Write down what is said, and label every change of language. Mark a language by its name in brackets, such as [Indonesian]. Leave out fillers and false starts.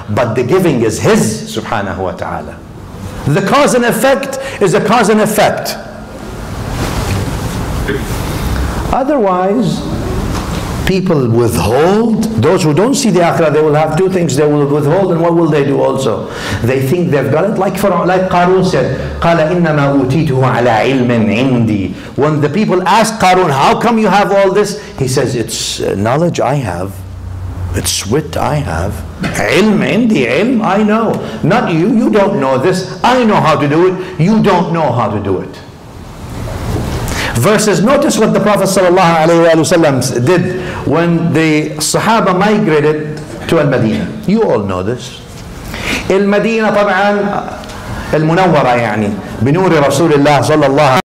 [English] But the giving is His, subhanahu wa ta'ala. The cause and effect is a cause and effect. Otherwise, people withhold. Those who don't see the akhirah, they will have two things they will withhold. And what will they do also? They think they've got it. Like Pharaoh, like Qarun said, [Arabic] قَالَ إِنَّمَا أُوتِيتُهُ عَلَىٰ عِلْمٍ عِنْدِي. [English] When the people ask Qarun, how come you have all this? He says, it's knowledge I have. It's wit I have. [Arabic] عِلْم عِنْدِي. [English] عِلْم, I know. Not you. You don't know this. I know how to do it. You don't know how to do it. Versus, notice what the Prophet ﷺ did when the Sahaba migrated to Al-Madinah. You all know this. [Arabic] Al-Madinah طبعا المنورة يعني بنور رسول الله صلى الله عليه وسلم.